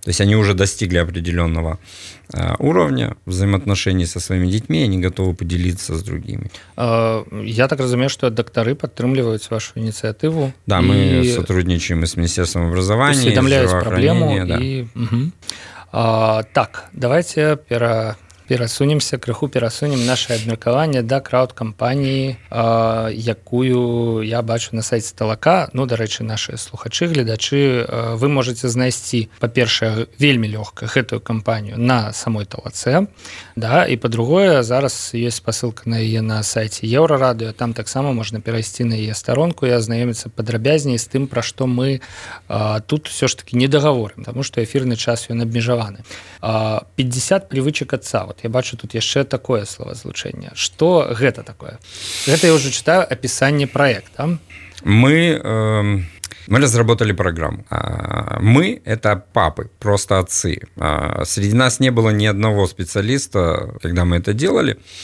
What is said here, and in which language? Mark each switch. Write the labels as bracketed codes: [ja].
[ru] То есть они уже достигли определенного уровня взаимоотношений со своими детьми, они готовы поделиться с другими. Я так разумею, что докторы подтримливают вашу инициативу. Да, мы сотрудничаем и с Министерством образования, и здравоохранения. Проблему, да. [be] Так, давайте перасунем наше абмеркаванне да краўд-кампаніі, якую я бачу на сайце Талака. Ну, дарэчы, нашыя слухачы, гледачы, вы можаце знайсці, па-першае, вельмі лёгка гэтую кампанію на самой Талацэ. Да, і па-другое, зараз ёсць спасылка на яе на сайце Еўрарадыё, там таксама можна перайсці на яе старонку і азнаёміцца падрабязней з тым, пра што мы тут усё ж такі не дагаворым, таму што эфірны час ён абмежаваны. [ru] 50 привычак отца. Вот я бачу тут еще такое словозлучение. Что это такое? Это я уже читаю описание проекта. Мы разработали программу. Мы – это папы, просто отцы. Среди нас не было ни одного специалиста, когда мы это делали.